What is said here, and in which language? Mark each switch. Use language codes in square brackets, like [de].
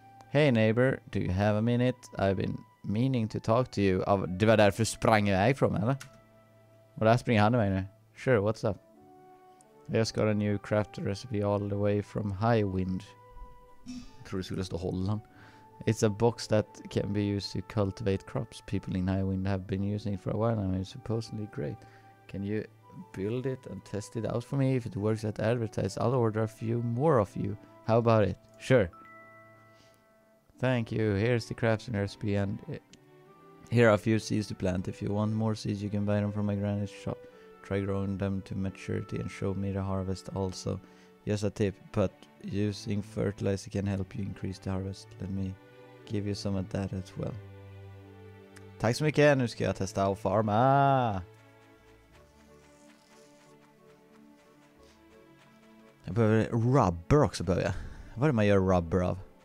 [en] Hey neighbor, do you have a minute? I've been meaning to talk to you. [sv] Det var därför sprang iväg från, eller? Och där springer han iväg nu. [en] Sure, what's up? I just got a new craft recipe all the way from Highwind. [sv] Jag tror det skulle stå Holland. [en] It's a box that can be used to cultivate crops. People in Highwind have been using it for a while and it's supposedly great. Can you build it and test it out for me? If it works at advertise, I'll order a few more of you. How about it? Sure. Thank you. Here's the crafts and recipe. And here are a few seeds to plant. If you want more seeds, you can buy them from my granny's shop. Try growing them to maturity and show me the harvest also. Just a tip, but using fertilizer can help you increase the harvest. Let me give you some of that as well. [sv] Tack så mycket, nu ska jag testa och farma. Jag behöver rubber också, behöver jag. Vad är det man gör rubber av?